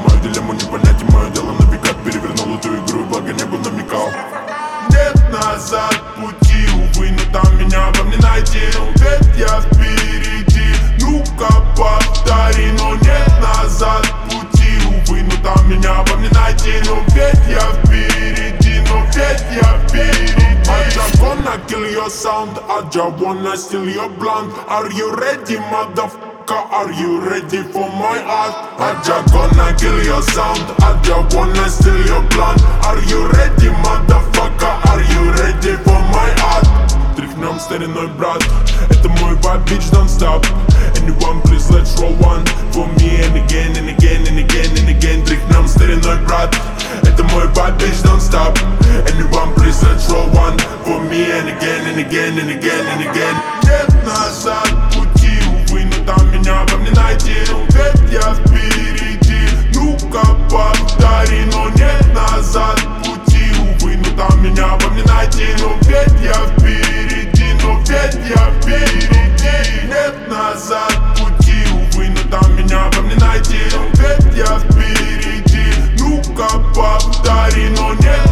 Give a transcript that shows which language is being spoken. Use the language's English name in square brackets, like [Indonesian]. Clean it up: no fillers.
[Russian] Мою дилемму не понять, и мое дело на века. Перевернул эту игру, и благо небо намекал. Нет назад пути. Увы, но там меня во мне найти. Опять я впереди. Ну-ка повтори, но нет назад пути. Увы, но там меня во мне найти. Опять я впереди. Но опять я впереди. [English] I'm gonna kill your sound. I just wanna steal your blunt. Are you ready, motherfucker? Are you ready for my art? I just gonna kill your sound. I just wanna steal your blunt. Are you ready, motherfucker? Are you ready for my art? [Russian] Тряхнем стариной, брат. Это мой [English] vibe, bitch, don't stop. Anyone, please, let's roll one. For me and again, and again, and again, and again. [Russian] Тряхнем стариной, брат. Это мой [English] vibe, bitch, don't stop. Anyone, please, let's roll one. For me and again, and again, and again, and again. [Russian] Нет назад пути, увы, но там меня вам не найти. Опять я впереди, ну-ка повтори. Но нет назад пути, увы, но там меня вам не найти. Опять я впереди. Я впереди, нет назад пути, увы, но там меня вам не найти. Опять я впереди, ну-ка повтори, но не.